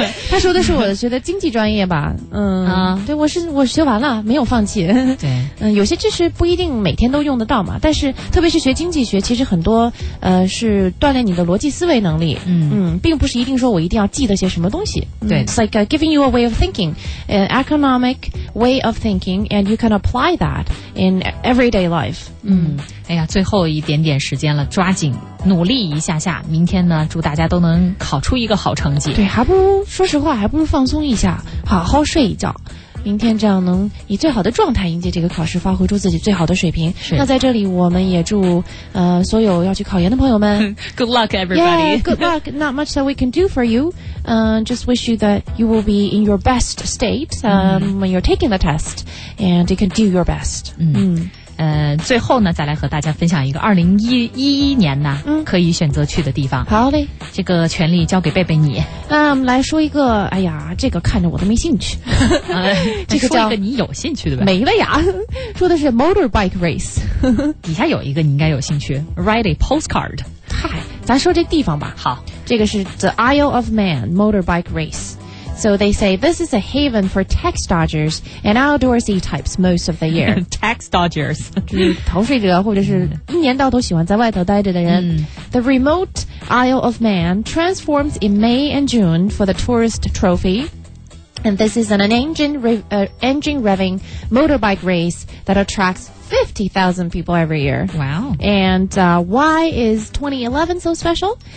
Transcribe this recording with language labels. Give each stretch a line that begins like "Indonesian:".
Chinese: 他说的是我学的经济专业吧？对，我学完了，没有放弃。对，有些知识不一定每天都用得到嘛，但是特别是学经济学，其实很多是锻炼你的逻辑思维能力。并不是一定说我一定要记得些什么东西。对
English: ，It's like giving you a way of thinking, an economic way of thinking, and you can apply that in everyday life.
Chinese: 哎呀，最后一点点时间了，抓紧努力一下下。明天呢，祝大家都能考出一个好成绩。对，还不如说实话，还不如放松一下，好好睡一觉。明天这样能以最好的状态迎接这个考试，发挥出自己最好的水平。是，那在这里我们也祝所有要去考研的朋友们
English: Good luck everybody. Yeah, good luck. Not much that we can do for you. Just wish you that you will be in your best state when you're taking the test and you can do your best.
Chinese: 最后呢再来和大家分享一个2011年呢可以选择去的地方。好嘞，这个权利交给贝贝你。那我们来说一个，哎呀，这个看着我都没兴趣。这个叫说一个你有兴趣的呗。没了呀，说的是 motorbike race。底下有一个你应该有兴趣 ,
English: write a postcard。
Chinese: 嗨，咱说这地方吧。好。这个是 The Isle of Man Motorbike Race。
English: So they say this is a haven for tax dodgers and outdoor Z-types most of the year. Tax dodgers.
Chinese: 逃税者或者是一年到头喜欢在外头待着的人。
English: The remote Isle of Man transforms in May and June for the tourist trophy. And this is an engine-revving motorbike race that attracts 50,000 people every year. Wow. And why is 2011 so special?